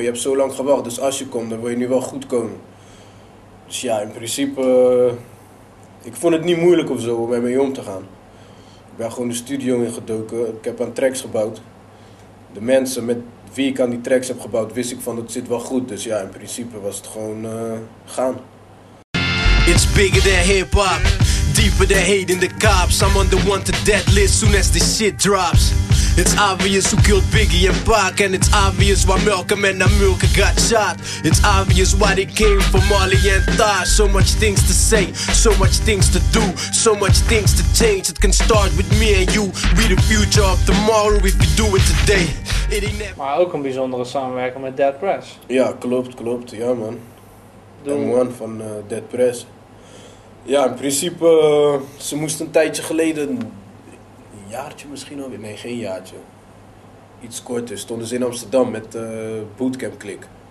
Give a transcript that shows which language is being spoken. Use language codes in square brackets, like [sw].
[nl] Je hebt zo lang gewacht, dus als je komt, dan wil je nu wel goed komen. Dus ja, in principe, ik vond het niet moeilijk of zo om ermee om te gaan. Ik ben gewoon de studio ingedoken. Ik heb aan tracks gebouwd. De mensen met wie ik aan die tracks heb gebouwd, wist ik van dat zit wel goed. Dus ja, in principe was het gewoon gaan. [en] It's bigger than hip-hop. Deeper than hating the cops. I'm on the one to deadlist soon as this shit drops. It's obvious who killed Biggie and Pac. And it's obvious why Malcolm and Amilka got shot. It's obvious why they came for Marley and Thigh. So much things to say, so much things to do, so much things to change. It can start with me and you. We the future of tomorrow if we do it today. [nl] Maar ook een bijzondere samenwerking met Dead Press. Ja, klopt, klopt. Ja, man. M1 van Dead Press. Ja, in principe, ze moesten een tijdje geleden, een jaartje misschien alweer, nee, geen jaartje. Iets korter, stonden ze in Amsterdam met Bootcamp Click.